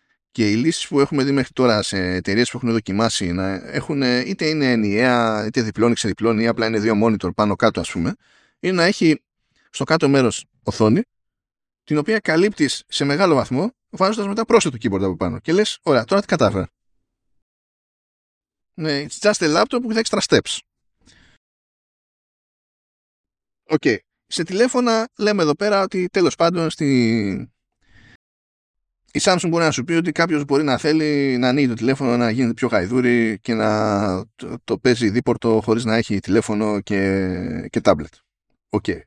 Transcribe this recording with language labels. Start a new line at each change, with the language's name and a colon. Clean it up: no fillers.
Greek: Και οι λύσεις που έχουμε δει μέχρι τώρα σε εταιρείες που έχουν δοκιμάσει να έχουν, είτε είναι ενιαία, είτε διπλώνει, ξεδιπλώνει, ή απλά είναι δύο monitor πάνω κάτω, ας πούμε, είναι να έχει στο κάτω μέρος οθόνη, την οποία καλύπτεις σε μεγάλο βαθμό, βάζοντας μετά πρόσθετο keyboard από πάνω. Και λες, ωραία, τώρα τι κατάφερα. Ναι,
English: it's just a laptop with extra steps. Okay.
Greek: Σε τηλέφωνα λέμε εδώ πέρα ότι τέλος πάντων στη... η Samsung μπορεί να σου πει ότι κάποιος μπορεί να θέλει να ανοίγει το τηλέφωνο, να γίνεται πιο γαϊδούρι και να το παίζει δίπορτο χωρίς να έχει τηλέφωνο και tablet. Okay.